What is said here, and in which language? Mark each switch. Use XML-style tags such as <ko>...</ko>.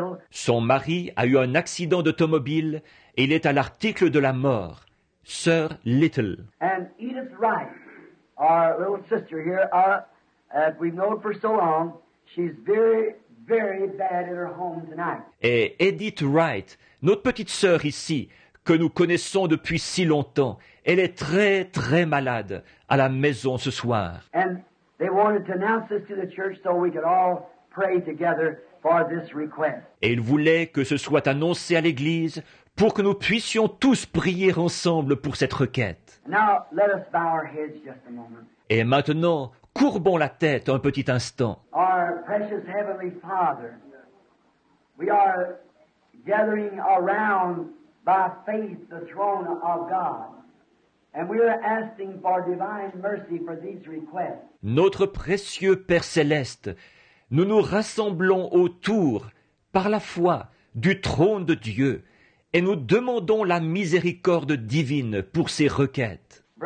<fr>Son mari a eu un accident d'automobile et il est à l'article de la mort. Sœur Little.</fr> <en>And Edith Wright, our little sister here, as we've known for so long, she's very, very bad in her home tonight.</en> <fr>Et Edith Wright, notre petite sœur ici, que nous connaissons depuis si longtemps, elle est très, très malade à la maison ce soir.</fr> <en>And they wanted to announce this to the church so we could all pray together.</en> <fr>Et il voulait que ce soit annoncé à l'Église pour que nous puissions tous prier ensemble pour cette requête.</fr> <en>Now, let us bow our heads just a moment.</en> <fr>Et maintenant, courbons la tête un petit instant.</fr> <en>Our precious Heavenly Father, we are gathering around by faith the throne of God. And we are asking for divine mercy for these requests.</en> <fr>Notre précieux Père Céleste, nous nous rassemblons autour, par la foi, du trône de Dieu et nous demandons la miséricorde divine pour ces requêtes.</fr>